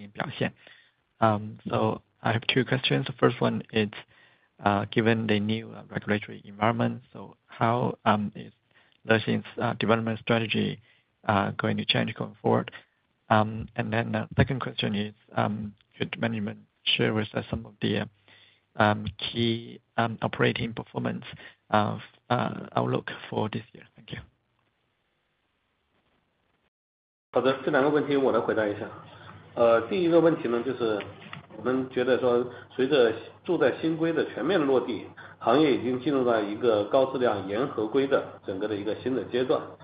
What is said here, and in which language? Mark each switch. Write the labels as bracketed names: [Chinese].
[Chinese] 管理层好，感谢给我这个提问的机会。第一个问题想请问一下，在当前这个新的一个监管环境下，乐信未来一些发展战略上有什么变化，有哪些主要的考量？然后第二个问题想请管理层给我们展望一下2026年公司的一些主要核心指标的一些经营表现。 [English] So I have two questions. The first one is given the new regulatory environment, so how is Lexin's development strategy going to change going forward? And then the second question is, could management share with us some of the key operating performance outlook for this year? Thank you. [Chinese] 好的，这两个问题我来回答一下。第一个问题呢，就是我们觉得说，随着住在新规的全面落地，行业已经进入到一个高质量严合规的整个的一个新的阶段。